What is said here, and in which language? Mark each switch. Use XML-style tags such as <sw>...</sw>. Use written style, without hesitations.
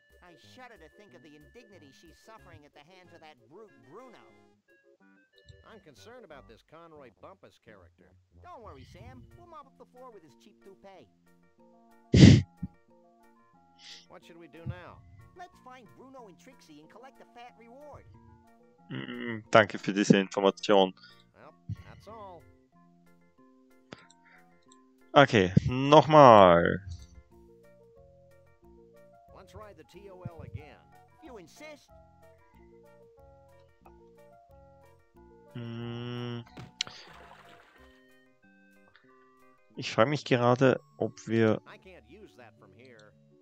<en>I shudder to think of the indignity she's suffering at the hands of that brute Bruno. I'm concerned about this Conroy Bumpus character. Don't worry, Sam. We'll mop up the floor with his cheap toupee. What should we do now? Let's find Bruno and Trixie and collect the fat reward.</en> <de>Danke für diese Information.</de> <en>Well, that's all.</en> <de>Okay, nochmal.</de> <en>TOL again. You insist?</en> <de>Ich frage mich gerade, ob wir...</de> <en>I can't use that from here.</en>